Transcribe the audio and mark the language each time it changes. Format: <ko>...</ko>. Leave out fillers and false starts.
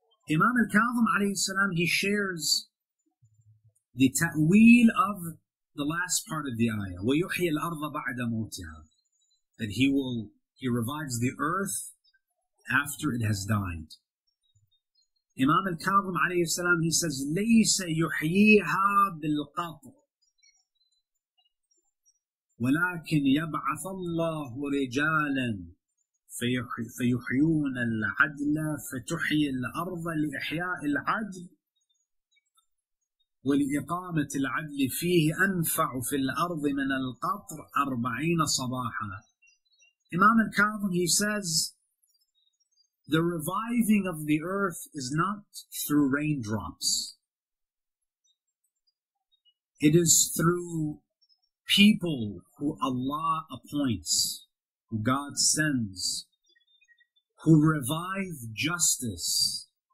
<en>Imam Al-Kadhim alayhi salam, he shares the ta'weel of the last part of the ayah,</en> <ar>وَيُحْيِي الْأَرْضَ بَعْدَ مَوْتِهَا,</ar> <en>that he revives the earth after it has died.</en> <ar>Imam Al-Kadhim alayhi salam,</ar> <en>he says,</en> <ar>لَيْسَ يُحْيِيهَا بِالْقَطْعِ وَلَكِنْ يَبْعَثَ اللَّهُ رِجَالًا فَيُحْيُونَ الْعَدْلَ فَتُحْيِي الْأَرْضَ لِإِحْيَاءِ الْعَدْلِ وَلِإِقَامَةِ الْعَدْلِ فِيهِ أَنْفَعُ فِي الْأَرْضِ مِنَ الْقَطْرِ أَرْبَعِينَ صَبَاحًا.</ar> <en>Imam Al-Kadhim, he says, the reviving of the earth is not through raindrops. It is through people who Allah appoints, who God sends, who revive justice.</en>